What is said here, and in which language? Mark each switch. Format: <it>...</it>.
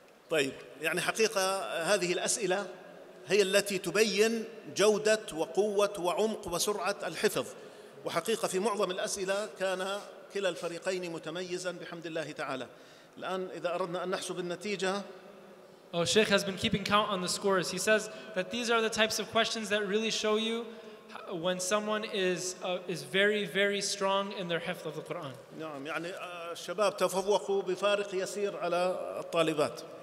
<ar>طيب يعني حقيقة هذه الأسئلة هي التي تبين جودة وقوة وعمق وسرعة الحفظ وحقيقة في معظم الأسئلة كان كلا الفريقين متميزا بحمد الله تعالى. الآن إذا أردنا أن نحسب النتيجة</ar> <en>Oh Sheikh has been keeping count on the scores. He says that these are the types of questions that really show you when someone is very very strong in their hifz of the Quran.</en> <ar>نعم يعني الشباب تفوقوا بفارق يسير على الطالبات.</ar>